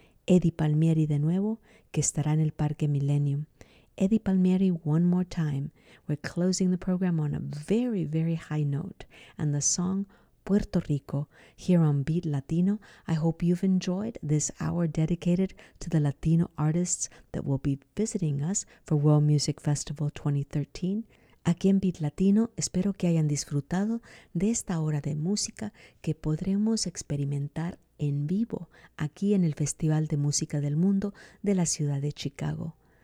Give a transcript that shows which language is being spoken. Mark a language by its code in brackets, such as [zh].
[es] Eddie Palmieri de nuevo, que estará en el Parque Millennium. [en] Eddie Palmieri, one more time. We're closing the program on a very, very high note. And the song, Puerto Rico, here on Beat Latino. I hope you've enjoyed this hour dedicated to the Latino artists that will be visiting us for World Music Festival 2013. [es] Aquí en Beat Latino, espero que hayan disfrutado de esta hora de música que podremos experimentar en vivo aquí en el Festival de Música del Mundo de la ciudad de Chicago.